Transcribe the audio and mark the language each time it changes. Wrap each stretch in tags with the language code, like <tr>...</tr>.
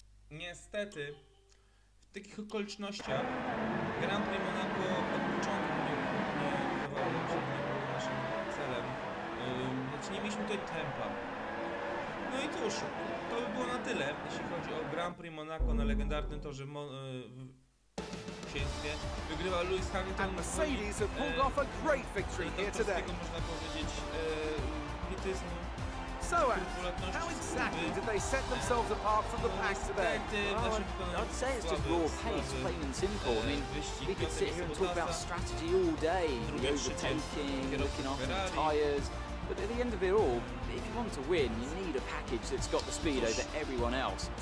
<pl>Niestety, w takich okolicznościach Grand Prix Monaco od początku nie wydawało się, nie było naszym celem. Znaczy nie mieliśmy tutaj tempa. No i cóż, to by było na tyle, jeśli chodzi o Grand Prix Monaco na legendarnym torze w księstwie. Wygrywa Lewis Hamilton.</pl> <en>And Mercedes have pulled off a great victory here today.</en> <pl>To można powiedzieć, hityzm.</pl> <en>So, how exactly did they set themselves apart from the pack today? Well, I'd say it's just raw pace, plain and simple. I mean, we could sit here and talk about strategy all day, overtaking, looking after the tyres. But at the end of it all, if you want to win, you need a package that's got the speed over everyone else.</en>